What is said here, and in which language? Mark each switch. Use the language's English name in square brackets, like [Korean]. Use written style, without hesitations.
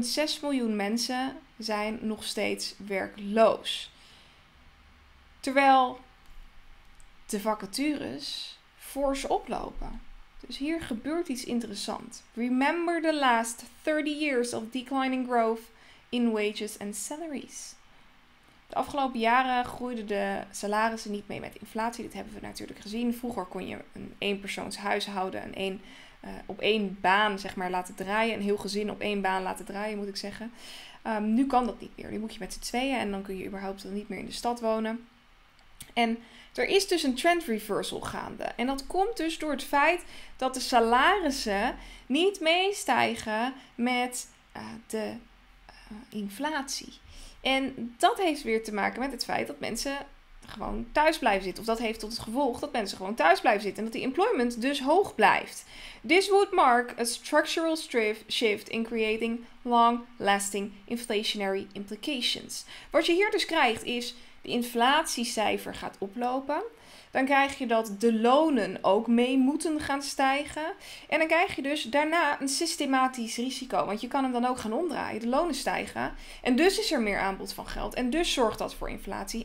[Dutch] 14,6 miljoen mensen zijn nog steeds werkloos. Terwijl de vacatures fors oplopen. Dus hier gebeurt iets interessants. [English] Remember the last 30 years of declining growth in wages and salaries. [Dutch] De afgelopen jaren groeiden de salarissen niet mee met inflatie. Dit hebben we natuurlijk gezien. Vroeger kon je een eenpersoons huishouden en op één baan zeg maar laten draaien. Een heel gezin op één baan laten draaien, moet ik zeggen. Nu kan dat niet meer. Nu moet je met z'n tweeën en dan kun je überhaupt dan niet meer in de stad wonen. En er is dus een trend reversal gaande. En dat komt dus door het feit dat de salarissen niet meestijgen met de inflatie. En dat heeft weer te maken met het feit dat mensen gewoon thuis blijven zitten. Of dat heeft tot het gevolg dat mensen gewoon thuis blijven zitten. En dat die employment dus hoog blijft. [English] This would mark a structural shift in creating long-lasting inflationary implications. [Dutch] Wat je hier dus krijgt is, de inflatiecijfer gaat oplopen. Dan krijg je dat de lonen ook mee moeten gaan stijgen. En dan krijg je dus daarna een systematisch risico. Want je kan hem dan ook gaan omdraaien. De lonen stijgen. En dus is er meer aanbod van geld. En dus zorgt dat voor inflatie.